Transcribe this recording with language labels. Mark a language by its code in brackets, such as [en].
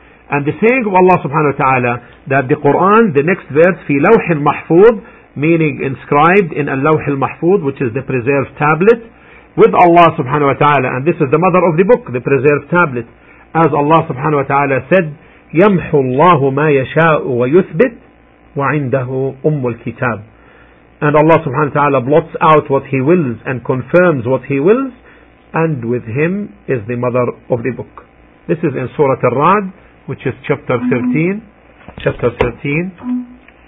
[en] And the saying of Allah subhanahu wa ta'ala that the Quran, the next verse, fi lawh al mahfuz, meaning inscribed in al lawh al mahfuz, which is the preserved tablet with Allah subhanahu wa ta'ala, and this is the mother of the book, the preserved tablet, as Allah subhanahu wa ta'ala said, [ar] يمحو الله ما يشاء ويثبت وعنده أم الكتاب. [en] And Allah subhanahu wa ta'ala blots out what He wills and confirms what He wills, and with Him is the mother of the book. This is in Surah Al-Ra'd, which is chapter 13. Chapter 13.